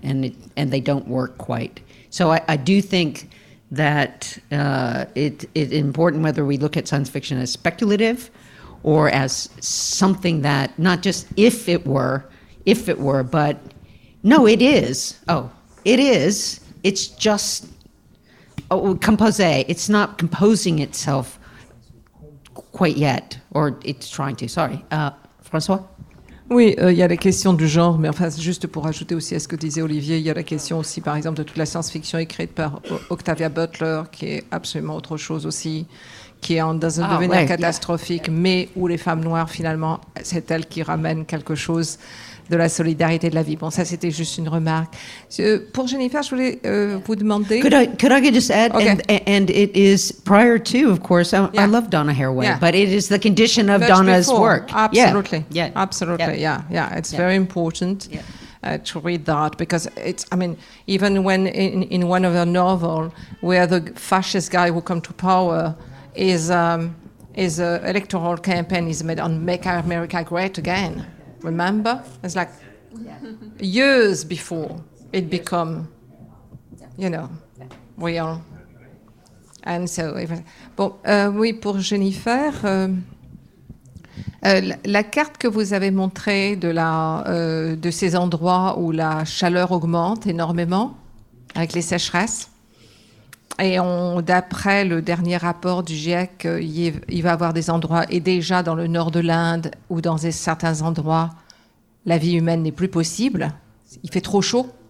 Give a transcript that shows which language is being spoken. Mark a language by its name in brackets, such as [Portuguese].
[English] And they don't work quite. So I do think that it's important whether we look at science fiction as speculative or as something that not just if it were, but no, it is. Oh, it is. It's just. Oh, composé, it's not composing itself quite yet, or it's trying to, sorry. François? [French] Oui, il y a la question du genre, mais enfin, juste pour ajouter aussi à ce que disait Olivier, il y a la question aussi, par exemple, de toute la science-fiction écrite par Octavia Butler, qui est absolument autre chose aussi, qui est en dans un devenir catastrophique, mais où les femmes noires, finalement, c'est elles qui ramènent quelque chose de la solidarité de la vie. Bon, ça, c'était juste une remarque. Pour Jennifer, je voulais vous demander... [English] Could I just add, okay. and it is prior to, of course, I love Donna Haraway, but it is the condition of Much Donna's before. Work. Absolutely. Yeah. Absolutely, yeah. Yeah, it's very important to read that, because it's, I mean, even when in one of her novels, where the fascist guy who come to power is an electoral campaign is made on Make America Great Again. Remember? It's like years before it become, you know, real. [French] And so, oui, pour Jennifer, la carte que vous avez montrée de la de ces endroits où la chaleur augmente énormément avec les sécheresses, et d'après le dernier rapport du GIEC, il va y avoir des endroits, et déjà dans le nord de l'Inde ou dans certains endroits, la vie humaine n'est plus possible. Il fait trop chaud.